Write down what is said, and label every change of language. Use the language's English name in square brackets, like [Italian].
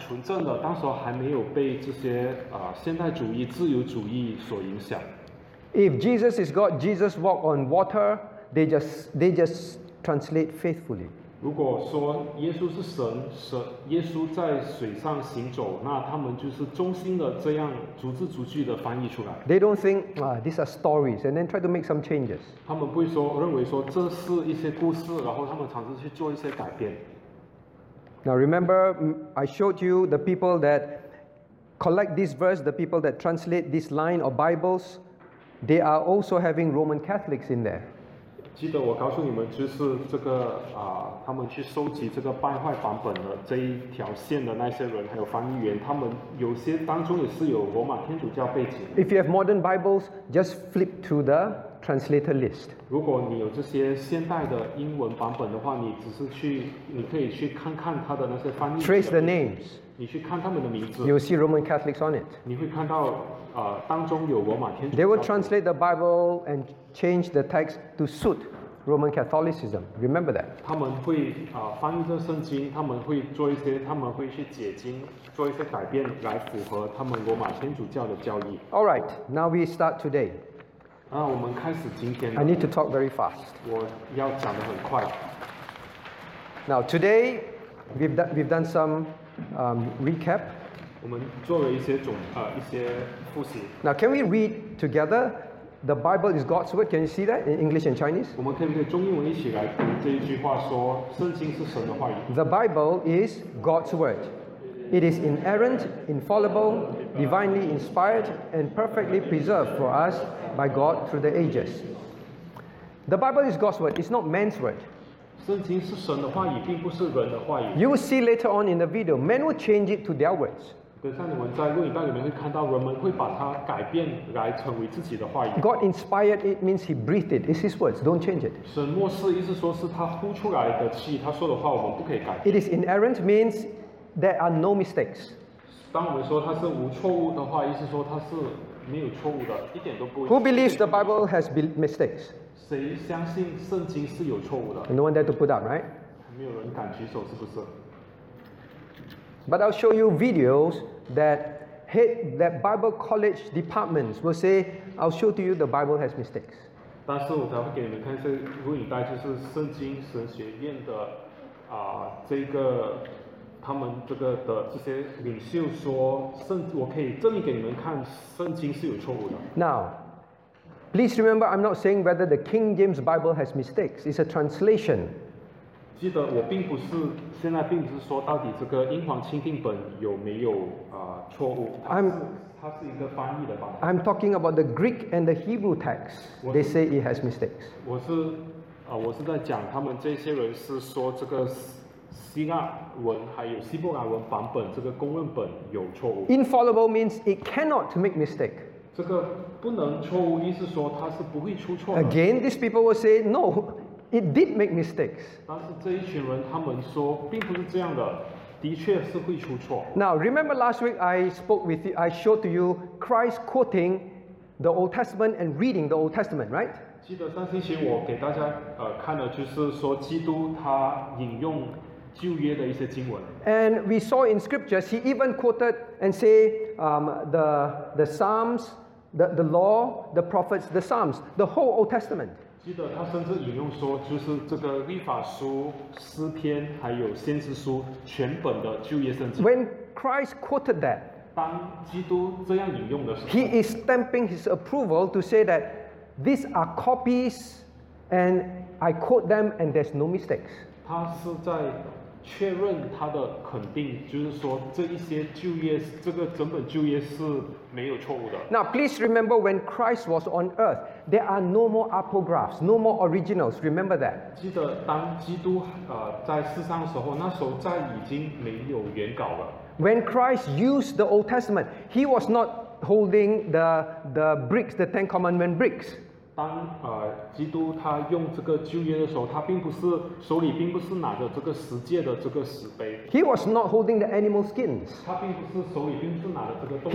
[Chinese] 当时候他们的这神学是非常纯正的，当时候还没有被这些, 现代主义, 自由主义所影响。 [English] If Jesus is God, Jesus walked on water, they just translate faithfully. [Chinese] 如果说耶稣是神，耶稣在水上行走，那他们就是忠心的这样逐字逐句的翻译出来。 [English] They don't think, these are stories, and then try to make some changes. [Chinese] 他们不会说，认为说这是一些故事，然后他们尝试去做一些改变。 [English] Now remember, I showed you the people that collect this verse, the people that translate this line of Bibles, they are also having Roman Catholics in there. [Chinese] 记得我告诉你们，就是这个他们去收集这个败坏版本的这一条线的那些人，还有翻译员，他们有些当中也是有罗马天主教背景。 [English] If you have modern Bibles, just flip to the translator list. [Chinese] 如果你有这些现代的英文版本的话，你只是去，你可以去看看他的那些翻译。 [English] Trace the names. [Chinese] 你去看他们的名字。 [English] You'll see Roman Catholics on it. [Chinese] 你会看到。当中有罗马天主教。 [English] They will translate the Bible and change the text to suit Roman Catholicism. Remember that. [Chinese] 他们会翻译这圣经，他们会做一些，他们会去解经，做一些改变来符合他们罗马天主教的教义。 [English] All right, now we start today. [Chinese] 那我们开始今天。 [English] I need to talk very fast. [Chinese] 我要讲得很快。 [English] Now today, we've done some recap. [Chinese] 我们做了一些一些复习。 [English] Now, can we read together? The Bible is God's word. Can you see that in English and Chinese? [Chinese] 我们可以用中英文一起来读这一句话，说圣经是神的话语。 [English] The Bible is God's word. It is inerrant, infallible, divinely inspired, and perfectly preserved for us by God through the ages. The Bible is God's word. It's not man's word. [Chinese] 圣经是神的话语，并不是人的话语。 [English] You will see later on in the video, men will change it to their words. [Chinese] 等下你们在录影带里面会看到，人们会把它改变来成为自己的话语。 [English] God inspired it means He breathed it. It's His words. Don't change it. [Chinese] 神默示意思说是他呼出来的气，他说的话我们不可以改变。 [English] It is inerrant means there are no mistakes. [Chinese] 当我们说它是无错误的话，意思说它是没有错误的，一点都不。 [English] Who believes the Bible has mistakes? [Chinese] 谁相信圣经是有错误的？ [English] No one dare to put up, right? [Chinese] 没有人敢举手，是不是？ [English] But I'll show you videos that hit that Bible college departments will say, I'll show to you the Bible has mistakes. [Chinese] 但是我才会给你们看一些录影带，就是圣经神学院的这个他们这个的这些领袖说，我可以证明给你们看，圣经是有错误的。 [English] Now. Please remember, I'm not saying whether the King James Bible has mistakes. It's a translation. [Chinese] 记得我并不是现在并不是说到底这个英皇钦定本有没有错误。它是一个翻译的版本。 [English] I'm talking about the Greek and the Hebrew text. They say it has mistakes. [Chinese] 我是在讲他们这些人是说这个希腊文还有希伯来文版本这个公认本有错误。 [English] Infallible means it cannot make mistake. [Chinese] 这个不能错误，意思说它是不会出错的。 [English] Again, these people will say, no, it did make mistakes. [Chinese] 但是这一群人他们说并不是这样的，的确是会出错。 [English] Now, remember last week I spoke with you, I showed to you Christ quoting the Old Testament and reading the Old Testament, right? [Chinese] 记得上星期我给大家看的就是说基督他引用旧约的一些经文。 [English] And we saw in scriptures, he even quoted and said,the Psalms, the law, the prophets, the Psalms, the whole Old Testament. [Chinese] 记得他甚至引用说，就是这个律法书、诗篇还有先知书全本的旧约圣经。 [English] When Christ quoted that, [Chinese] 当基督这样引用的时候， [English] he is stamping his approval to say that these are copies, and I quote them, and there's no mistakes. [Chinese] 他是在确认他的肯定，就是说这一些旧约，这个整本旧约是没有错误的。 [English] Now please remember, when Christ was on earth, there are no more apographs, no more originals. Remember that. [Chinese] 记得当基督在世上的时候，那时候在已经没有原稿了。 [English] When Christ used the Old Testament, he was not holding the bricks, the Ten Commandment bricks. [Chinese] 当基督他用这个旧约的时候，他并不是手里并不是拿着这个十诫的这个石碑。 [English] He was not holding the animal skins. [Chinese] 他并不是手里并不是拿着这个动物。